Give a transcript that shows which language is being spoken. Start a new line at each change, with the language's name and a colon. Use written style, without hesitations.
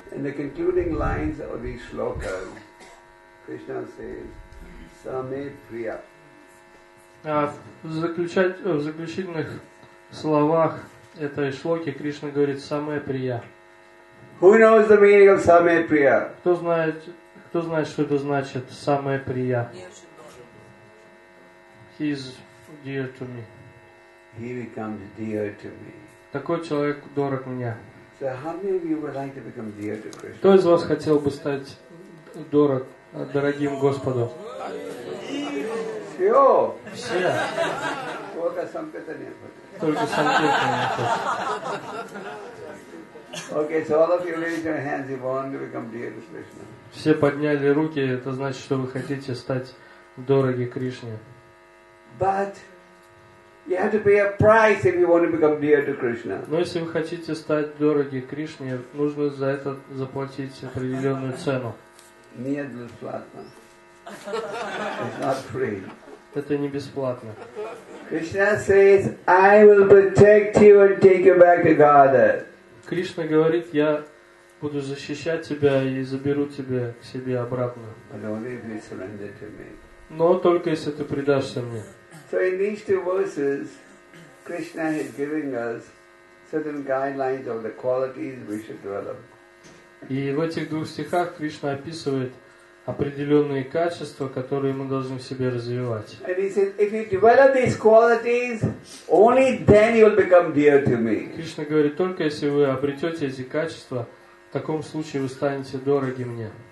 English: In the concluding lines of these shlokas, Krishna says, Samitriya.
Russian: В заключительных в словах этой шлоки Кришна говорит «самая прия».
English: Who knows the meaning of самая прия?
Russian: Кто знает, что это значит «самая прия»?
English: He is dear to me. He becomes dear to me.
Russian: Такой человек дорог мне.
English: So how many of you would like to become dear to Krishna?
Russian: Кто из вас хотел бы стать дорогим Господу? Все. Все. Только сам Петанин. Только санкетан.
English: Okay, so all of you raise your hands if you want to become dear to Krishna.
Russian: Все подняли руки, это значит, что вы хотите стать дороги Кришне.
English: But you have to pay a price if you want to become dear to Krishna.
Russian: Но если вы хотите стать дороги Кришне, нужно за это заплатить определенную цену. Не бесплатно.
English: It's not free.
Russian: Это не бесплатно.
English: Krishna says, I will protect you and take you back to Godhead.
Russian: Кришна говорит, я буду защищать тебя и заберу тебя к себе обратно.
English: But only if you surrender to me.
Russian: Но только если ты предашься мне.
English: So in these two verses, Krishna is giving us certain guidelines of the qualities we should develop.
Russian: И в этих двух стихах Кришна описывает определенные качества, которые мы должны в себе развивать. Кришна говорит, только если вы обретете эти качества, в таком случае вы станете дороги мне.